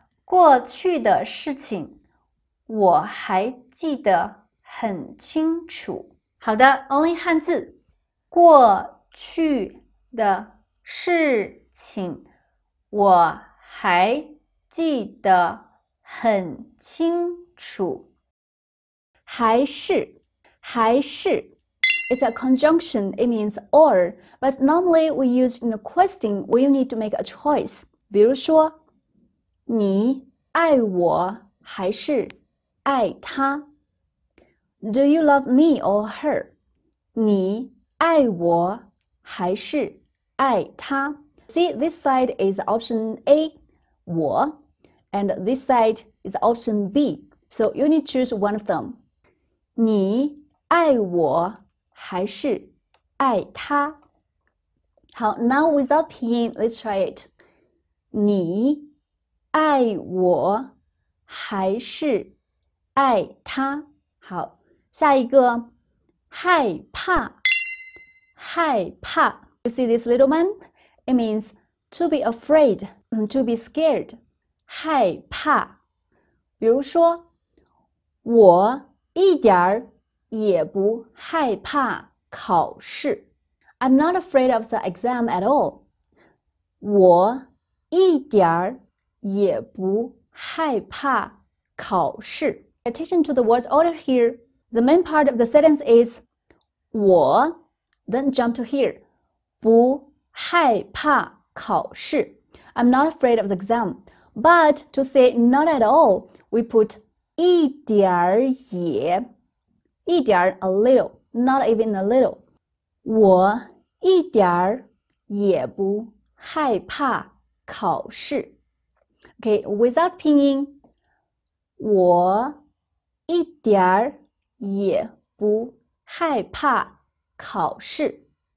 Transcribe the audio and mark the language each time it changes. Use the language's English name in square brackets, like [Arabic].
[Chinese] 过去的事情我还记得很清楚好的 [English] only [Chinese] 汉字过去的事情我还记得很清楚。还是，还是。 [English] It's a conjunction, it means or, but normally we use in a question where you need to make a choice. [Chinese] 比如说，你爱我还是爱他 [English] ？Do you love me or her? [Chinese] 你爱我还是爱他 [English] See, this side is option A, 我 and this side is option B. So you need to choose one of them. [Chinese] 你爱我还是爱他 [English] 好 now without 拼音 let's try it. [Chinese] 你爱我还是爱他好下一个害怕害怕 [English] You see this little man? It means to be afraid, to be scared. [Chinese] 害怕。比如说，我一点儿也不害怕考试。 [English] I'm not afraid of the exam at all. [Chinese] 我一点儿也不害怕考试。 [English] Attention to the words ordered here. The main part of the sentence is 我 then jump to here. [Chinese] 不害怕考试。 [English] I'm not afraid of the exam. But to say not at all, we put [Chinese] 一点儿也一点儿 [English] a little, not even a little. [Chinese] 我一点儿也不害怕考试。 [English] Okay, without pinyin, [Chinese] 我一点儿也不害怕考试。